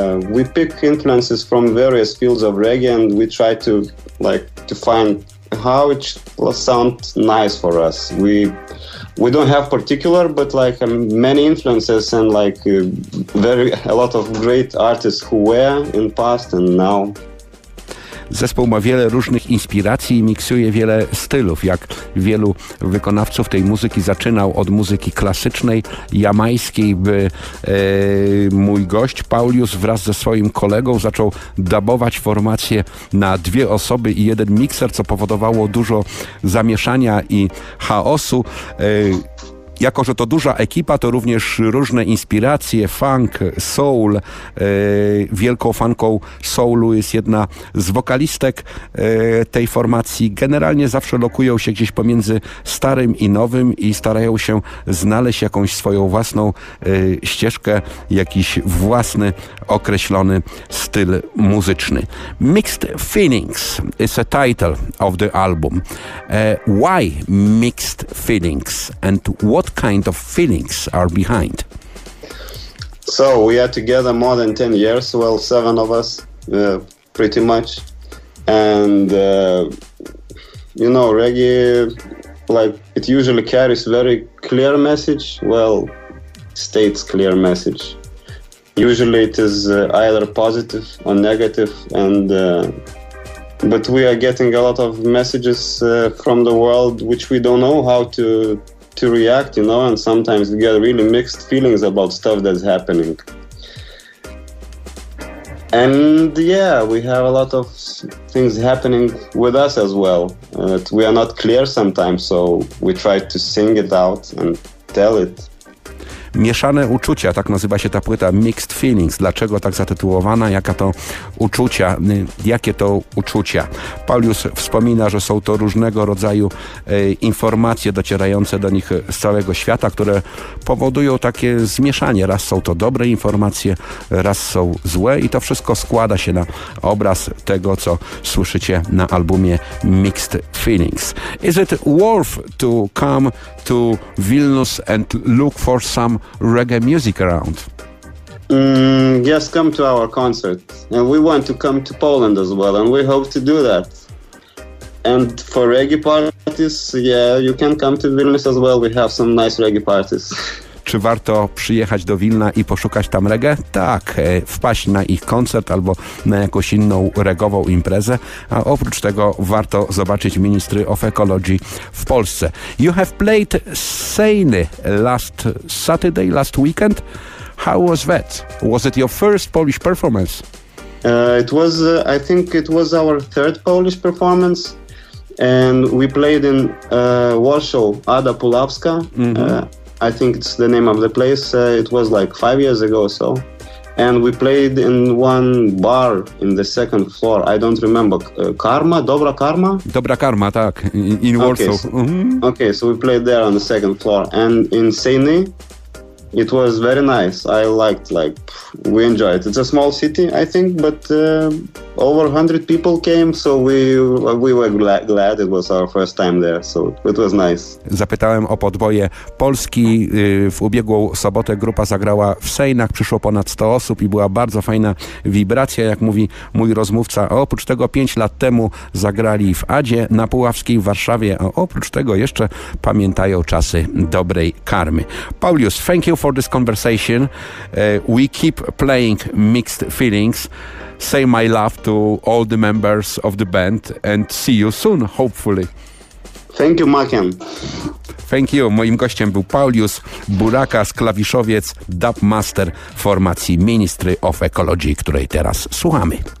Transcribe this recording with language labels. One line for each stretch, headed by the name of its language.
English: We pick influences from various fields of reggae, and we try to find how it will sound nice for us. We don't have particular, but many influences, and a lot of great artists who were in past and now.
Polish: Zespół ma wiele różnych inspiracji i miksuje wiele stylów. Jak wielu wykonawców tej muzyki, zaczynał od muzyki klasycznej, jamajskiej, by mój gość Paulius wraz ze swoim kolegą zaczął dubować formację na dwie osoby i jeden mikser, co powodowało dużo zamieszania i chaosu. jako że to duża ekipa, to również różne inspiracje, funk, soul. Wielką fanką soulu jest jedna z wokalistek tej formacji. Generalnie zawsze lokują się gdzieś pomiędzy starym i nowym i starają się znaleźć jakąś swoją własną ścieżkę, jakiś własny określony styl muzyczny.
English: Mixed Feelings is a title of the album. Why mixed feelings and what kind of feelings are behind? So we are together more than 10 years, well, 7 of us, pretty much. And, you know, reggae, like, it usually carries very clear message, well, states clear message. Usually it is either positive or negative, and but we are getting a lot of messages from the world which we don't know how to react, you know, and sometimes we get really mixed feelings about stuff that's happening. And yeah, we have a lot of things happening with us as well. We are not clear sometimes, so we try to sing it out and tell it.
Polish: Mieszane uczucia, tak nazywa się ta płyta, Mixed Feelings. Dlaczego tak zatytułowana? Jaka to uczucia? Jakie to uczucia? Paulius wspomina, że są to różnego rodzaju informacje docierające do nich z całego świata, które powodują takie zmieszanie. Raz są to dobre informacje, raz są złe i to wszystko składa się na obraz tego, co słyszycie na albumie Mixed Feelings.
English: Is it worth to come to Vilnius and look for some reggae music around? Yes, come to our concert. And we want to come to Poland as well, and we hope to do that. And for reggae parties, yeah, you can come to Vilnius as well. We have some nice reggae parties.
Polish: Czy warto przyjechać do Wilna i poszukać tam reggae? Tak, wpaść na ich koncert albo na jakąś inną reggową imprezę. A oprócz tego warto zobaczyć ministry of ecology w Polsce.
English: You have played Sejny last Saturday, last weekend. How was that? Was it your first Polish performance? It was our third Polish performance. And we played in Warsaw, Ada Pulawska. Mm-hmm. I think it's the name of the place. It was like 5 years ago or so. And we played in one bar in the second floor. I don't remember. Karma? Dobra Karma? Dobra Karma,
Polish: tak.
English: In Warsaw. Okay, so we played there on the second floor. And in Sejny, it was very nice. I liked, like, we enjoyed it. It's a small city, I think, but over 100 people came, so we were glad. It was our first time there, so it was nice.
Polish: Zapytałem o podwoje Polski. W ubiegłą sobotę grupa zagrała w Sejnach. Przyszło ponad 100 osób i była bardzo fajna wibracja, jak mówi mój rozmówca. A oprócz tego 5 lat temu zagrali w Adzie na Puławskiej w Warszawie. A oprócz tego jeszcze pamiętają czasy dobrej karmy.
English: Paulius, thank you for this conversation. We keep playing Mixed Feelings. Say my love to all the members of the band and see you soon, hopefully. Thank you, Makian. Thank you.
Polish: Moim gościem był Paulius Burakas, klawiszowiec, dubmaster formacji Ministry of Ecology, której teraz słuchamy.